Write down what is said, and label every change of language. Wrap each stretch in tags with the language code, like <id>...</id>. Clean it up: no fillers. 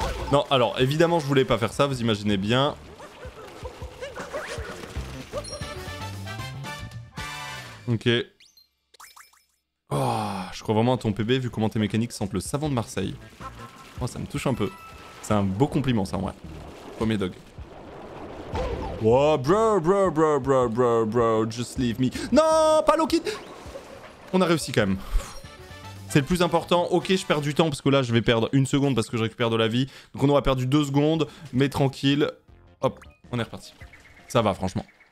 <fr>Non, alors, évidemment, je voulais pas faire ça, vous imaginez bien. Ok. Oh, je crois vraiment à ton PB, vu comment tes mécaniques sentent le savon de Marseille. Oh, ça me touche un peu. C'est un beau compliment, ça, en vrai. Premier dog.</fr> <en>Oh, bro, bro, bro, bro, bro, bro, just leave me.</en> <fr>Non, pas Loki. On a réussi, quand même. C'est le plus important. Ok, je perds du temps parce que là, je vais perdre une seconde parce que je récupère de la vie. Donc, on aura perdu deux secondes, mais tranquille. Hop, on est reparti. Ça va, franchement.</fr>